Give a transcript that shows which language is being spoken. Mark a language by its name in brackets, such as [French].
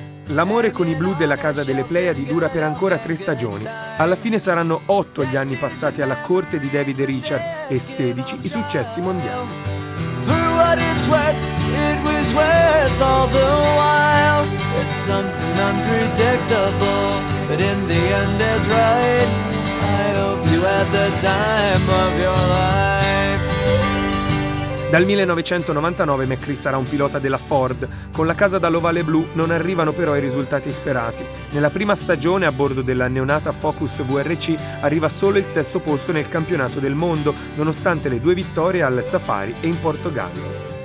[Italian] L'amore con i blu della casa delle Pleiadi dura per ancora 3 stagioni. Alla fine saranno 8 gli anni passati alla corte di David Richard e 16 i successi mondiali. [English] It was worth all the while. It's something unpredictable, but in the end is right. I hope you had the time of your life. [Italian] Dal 1999 McCree sarà un pilota della Ford. Con la casa dall'ovale blu non arrivano però i risultati sperati. Nella prima stagione a bordo della neonata Focus WRC arriva solo il 6° posto nel campionato del mondo, nonostante le 2 vittorie al Safari e in Portogallo.